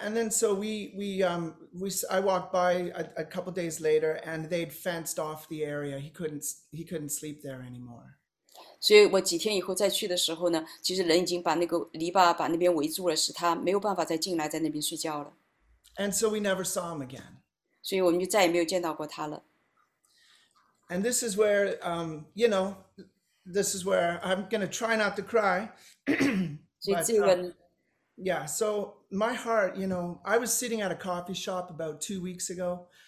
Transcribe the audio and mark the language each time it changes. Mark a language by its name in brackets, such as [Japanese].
[English] and then so I walked by a couple days later, and they'd fenced off the area. He couldn't sleep there anymore. [Chinese] 所以我几天以后再去的时候呢，其实人已经把那个篱笆把那边围住了，使他没有办法再进来，在那边睡觉了。 And [English] so we never saw him again. [Chinese] 所以我们就再也没有见到过他了。 And [English] this is where, you know, this is where I'm going to try not to cry. [Chinese] 所以这个呢， [English] yeah, so my heart, you know, I was sitting at a coffee shop about 2 weeks ago.